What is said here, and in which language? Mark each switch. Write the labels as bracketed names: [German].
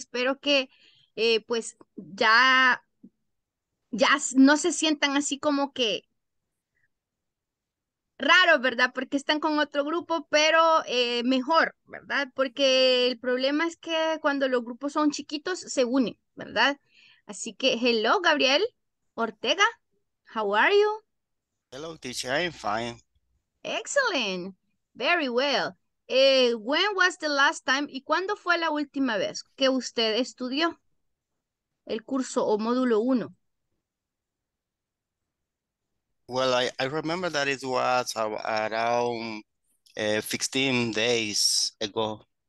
[Spanish] Espero que pues ya no se sientan así como que raro, ¿verdad? Porque están con otro grupo, pero mejor, ¿verdad? Porque el problema es que cuando los grupos son chiquitos, se unen, ¿verdad? Así que, [English] hello, Gabriel Ortega, how are you? Hello, teacher. I'm fine. Excellent, very well. When was the last time? [Spanish] ¿Y cuándo fue la última vez que usted estudió el curso o módulo 1? [English] Well, I remember that it was around 16 days ago.